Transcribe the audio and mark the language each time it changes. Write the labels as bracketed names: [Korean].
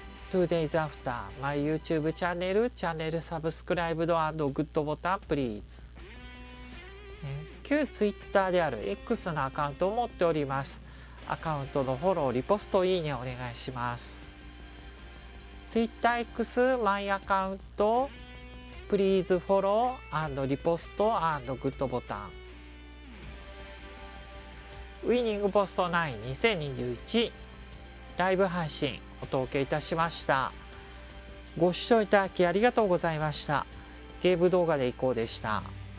[English] Two days after my YouTube channel, channel subscribe and good button, please. [Japanese] 旧 Twitter である X のアカウントを持っております。アカウントのフォロー、リポスト、いいねお願いします。 [English] Twitter X my account, please follow and repost and good button. [Japanese] ウィニングポスト92021ライブ配信お届けいたしました。ご視聴いただきありがとうございました。ゲーム動画でいこうでした。